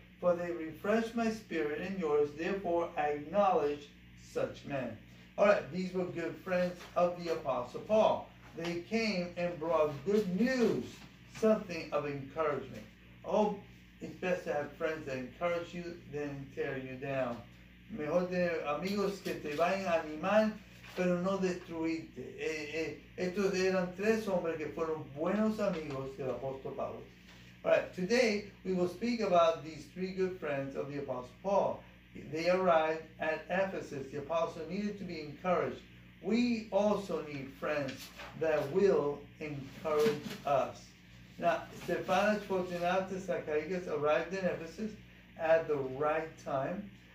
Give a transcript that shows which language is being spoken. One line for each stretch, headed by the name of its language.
English: For they refreshed my spirit and yours, therefore I acknowledge such men. All right, these were good friends of the Apostle Paul. They came and brought good news, something of encouragement. Oh, it's best to have friends that encourage you than tear you down.
Spanish: Mejor tener amigos que te vayan a animar, pero no destruirte. Estos eran tres hombres que fueron buenos amigos del Apóstol Pablo.
English: Alright, today we will speak about these three good friends of the Apostle Paul. They arrived at Ephesus. The Apostle needed to be encouraged. We also need friends that will encourage us. Now, Stephanas, Fortunatus, Achaicus arrived in Ephesus at the right time.